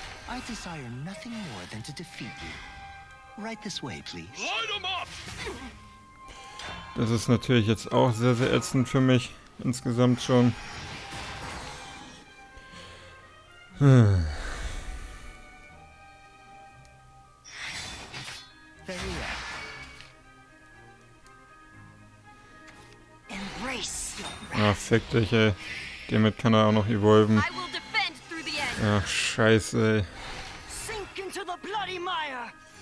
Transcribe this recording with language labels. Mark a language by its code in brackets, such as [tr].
[en] I desire nothing more than to defeat you. Right this way, please. Light 'em up! [de] Das ist natürlich jetzt auch sehr, sehr ätzend für mich insgesamt schon. Ach, fick dich, ey. Damit kann er auch noch evolven. Ach, scheiße, ey. [en] Sink into the bloody mire.